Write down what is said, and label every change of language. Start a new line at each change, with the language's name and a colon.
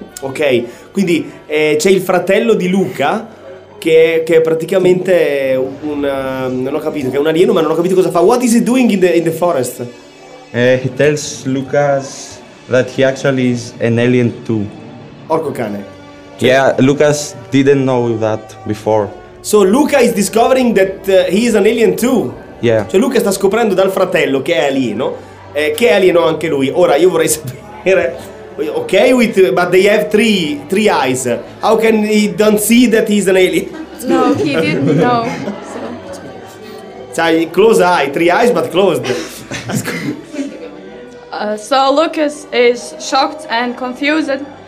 Italian: Ok, quindi c'è il fratello di Luca che è praticamente un... non ho capito, che è un alieno ma non ho capito cosa fa.
English: What is he doing in the forest? He tells Lucas that he actually is an alien too.
Italian: Orco cane. Cioè,
English: yeah, Lucas didn't know that before. So Luca is discovering that he is an alien too. Yeah.
Italian: Cioè Luca sta scoprendo dal fratello che è alieno, che è alieno anche lui. Ora io vorrei sapere, ok,
English: with but they have three eyes. How can he don't see that he's an alien? No, he didn't know. So.
Italian: Cioè,
English: close eye, three eyes, but closed. So Lucas is shocked and confused.